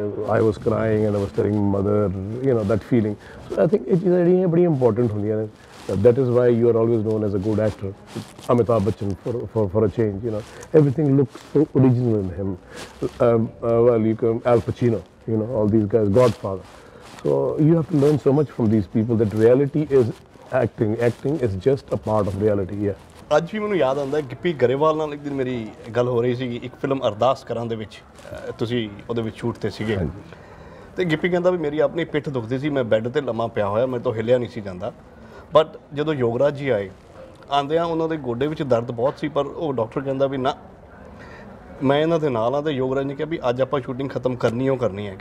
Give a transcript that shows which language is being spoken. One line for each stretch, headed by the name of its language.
English: I was crying and I was telling mother, you know that feeling. So I think
Punjabi: ਇਹ ਚੀਜ਼ਾਂ ਜਿਹੜੀਆਂ ਬੜੀ important ਹੁੰਦੀਆਂ ਨੇ।
English: That is why you are always known as a good actor, Amitabh Bachchan for a change, you know everything looks so original in him, well you come Al Pacino, you know all these guys, Godfather. So you have to learn so much from these people that reality is acting, acting is just a part of reality. Yeah,
Punjabi: ਅੱਜ ਵੀ ਮੈਨੂੰ ਯਾਦ ਆਉਂਦਾ ਗਿੱਪੀ ਗਰੇਵਾਲ ਨਾਲ ਇੱਕ ਦਿਨ ਮੇਰੀ ਗੱਲ ਹੋ ਰਹੀ ਸੀਗੀ, ਇੱਕ ਫਿਲਮ ਅਰਦਾਸ ਕਰਾਂ ਦੇ ਵਿੱਚ ਤੁਸੀਂ ਉਹਦੇ ਵਿੱਚ ਛੂਟ 'ਤੇ ਸੀਗੇ, ਅਤੇ ਗਿੱਪੀ ਕਹਿੰਦਾ ਵੀ ਮੇਰੀ ਆਪਣੀ ਪਿੱਠ ਦੁਖਦੀ ਸੀ, ਮੈਂ ਬੈੱਡ 'ਤੇ ਲੰਮਾ ਪਿਆ ਹੋਇਆ, ਮੇਰੇ ਤੋਂ ਹਿੱਲਿਆ ਨਹੀਂ ਸੀ ਜਾਂਦਾ, ਬਟ ਜਦੋਂ ਯੋਗਰਾਜ ਜੀ ਆਏ, ਆਉਂਦਿਆਂ ਉਹਨਾਂ ਦੇ ਗੋਡੇ ਵਿੱਚ ਦਰਦ ਬਹੁਤ ਸੀ, ਪਰ ਉਹ ਡਾਕਟਰ ਕਹਿੰਦਾ ਵੀ ਨਾ, ਮੈਂ ਇਹਨਾਂ ਦੇ ਨਾਲ ਹਾਂ, ਅਤੇ ਯੋਗਰਾਜ ਨੇ ਕਿਹਾ ਵੀ ਅੱਜ ਆਪਾਂ ਸ਼ੂਟਿੰਗ ਖਤਮ ਕਰਨੀ ਓ ਕਰਨੀ ਹੈ।